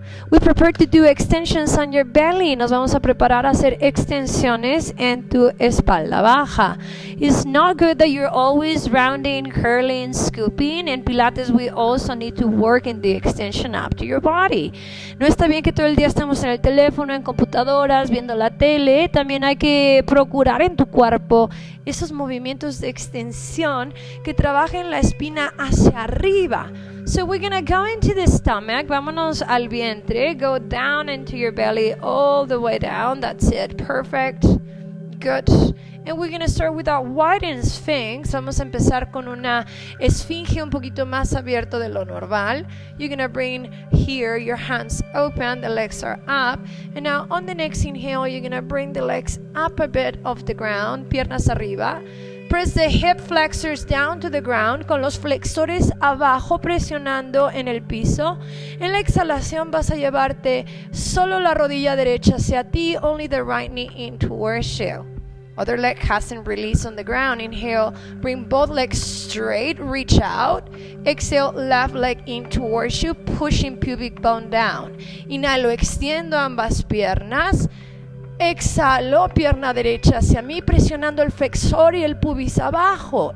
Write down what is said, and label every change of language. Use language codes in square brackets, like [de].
[en] We prepare to do extensions on your belly. [es] Nos vamos a preparar a hacer extensiones en tu espalda baja. [en] It's not good that you're always rounding, curling, scooping. In Pilates, we also need to work in the extension up to your body. [es] No está bien que todo el día estemos en el teléfono, en computadoras, viendo la tele. También hay que procurar en tu cuerpo esos movimientos de extensión que trabajen la espina hacia arriba. [en] So we're going to go into the stomach, [es] vámonos al vientre, [en] go down into your belly, all the way down, that's it, perfect, good. And we're going to start with a widened sphinx, [es] vamos a empezar con una esfinge un poquito más abierto de lo normal. [en] You're going to bring here your hands open, the legs are up, and now on the next inhale, you're going to bring the legs up a bit off the ground, [es] piernas arriba. [en] Press the hip flexors down to the ground [es] con los flexores abajo presionando en el piso. En la exhalación vas a llevarte solo la rodilla derecha hacia ti, [en] only the right knee in towards you. Other leg hasn't released on the ground. Inhale, bring both legs straight, reach out. Exhale, left leg in towards you, pushing pubic bone down. [es] Inhalo, extiendo ambas piernas. Exhalo, pierna derecha hacia mí, presionando el flexor y el pubis abajo.